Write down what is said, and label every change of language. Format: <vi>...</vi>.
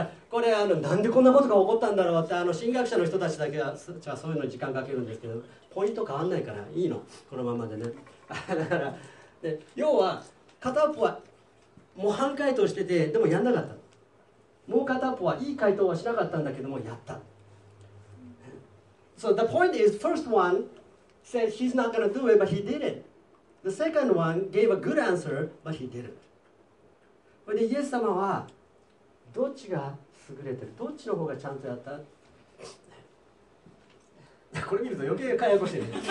<ja>これあのなんでこんなことが起こったんだろうって、あの神学者の人たちだけはじゃそういうのに時間かけるんですけど、ポイント変わんないからいいの、このままでね。だからで要は片っぽは模範解答しててでもやんなかった。もう片っぽはいい回答はしなかったんだけどもやった。</ja> <en>So the point is, first one said he's not going to do it, but he did it. The second one gave a good answer, but he didn't.</en> <ja>それでイエス様はどっちが優れてる、どっちの方がちゃんとやった。これ見ると余計かややこしいね。</ja>